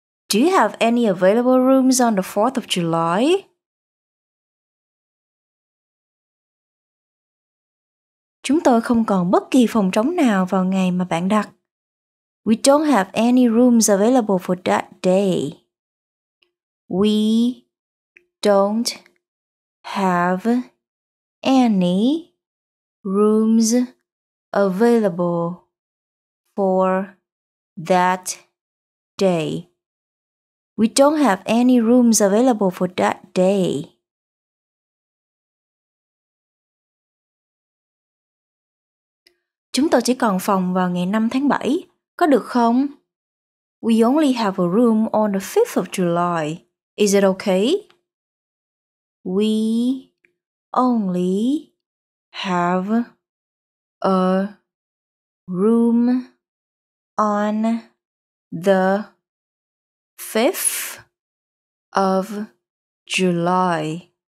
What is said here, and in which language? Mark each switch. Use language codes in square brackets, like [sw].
[en] Do you have any available rooms on the 4th of July? [vi] Chúng tôi không còn bất kỳ phòng trống nào vào ngày mà bạn đặt. [en] We don't have any rooms available for that day. We don't have any rooms available for that day. We don't have any rooms available for that day. [vi] Chúng tôi chỉ còn phòng vào ngày 5 tháng 7. Có được không? [en] We only have a room on the 5th of July. Is it okay? We only have a room on the 5th of July.